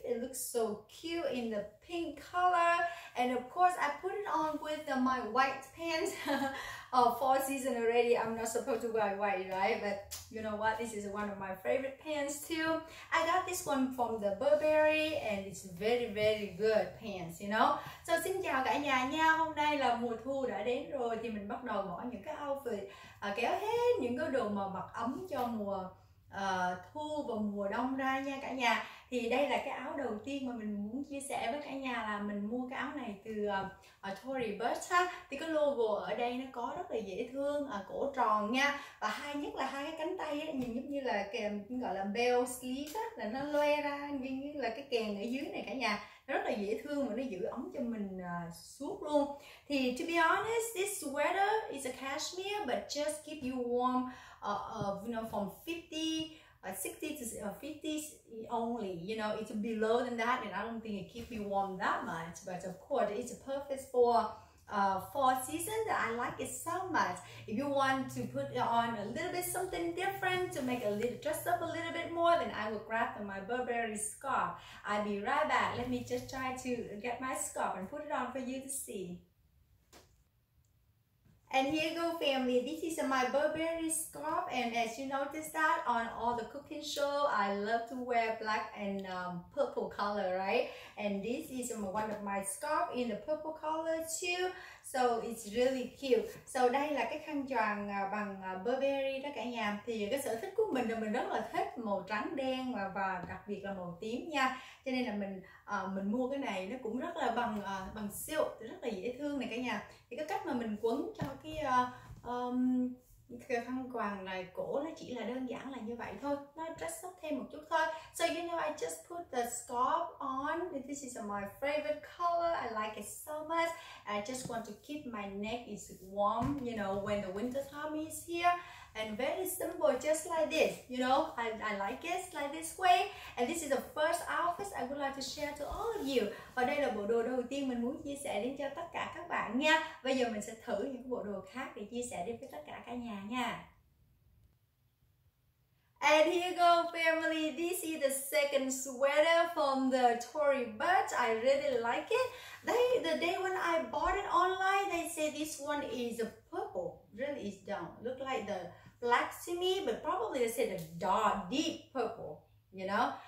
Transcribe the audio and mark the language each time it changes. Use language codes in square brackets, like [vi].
[en] It looks so cute in the pink color. And of course, I put it on with my white pants. fall season already, I'm not supposed to wear white, right? But you know what, this is one of my favorite pants too. I got this one from the Burberry and it's very, very good pants, you know? [vi] So xin chào cả nhà nha, hôm nay là mùa thu đã đến rồi thì mình bắt đầu mở những cái outfit kéo hết những cái đồ mà mặc ấm cho mùa thu và mùa đông ra nha cả nhà. Thì đây là cái áo đầu tiên mà mình muốn chia sẻ với cả nhà, là mình mua cái áo này từ Tory Burch ha. Thì cái logo ở đây nó có rất là dễ thương, cổ tròn nha. Và hay nhất là hai cái cánh tay ấy, nhìn giống như là kèm gọi là bell sleeve á, là nó loe ra như là cái kèn ở dưới này cả nhà. Nó rất là dễ thương mà nó giữ ấm cho mình suốt luôn. [en] Thì to be honest, this sweater is a cashmere but just keep you warm you know, from 50 60 to 50s only, you know, it's below than that and I don't think it keeps me warm that much, but of course it's perfect for fall season. I like it so much. If you want to put on a little bit something different to make a little dress up a little bit more, then I will grab my Burberry scarf. I'll be right back. Let me just try to get my scarf and put it on for you to see. And here you go, family. This is my Burberry scarf, and as you notice that on all the cooking show, I love to wear black and purple color, right? And this is one of my scarf in the purple color too, so it's really cute. [vi] So đây là cái khăn choàng bằng Burberry đó cả nhà. Thì cái sở thích của mình là mình rất là thích màu trắng đen và đặc biệt là màu tím nha. Cho nên là mình mua cái này nó cũng rất là bằng silk, rất là dễ thương này cả nhà. Thì cái cách mà mình quấn cho cái khăn choàng này cổ nó chỉ là đơn giản là như vậy thôi, nó dress up thêm một chút thôi. [en] So you know, I just put the scarf on. This is my favorite color, I like it so much. I just want to keep my neck is warm, you know, when the winter time is here. And very simple, just like this, you know, I like it like this way. And this is the first outfit I would like to share to all of you. [vi] Và đây là bộ đồ đầu tiên mình muốn chia sẻ đến cho tất cả các bạn nha. Bây giờ mình sẽ thử những bộ đồ khác để chia sẻ đến với tất cả cả nhà nha. [en] And here you go, family. This is the second sweater from the Tory Burch. I really like it. The day when I bought it online, they say this one is a purple. Really, it don't look like the black to me, but probably they said a dark, deep purple, you know?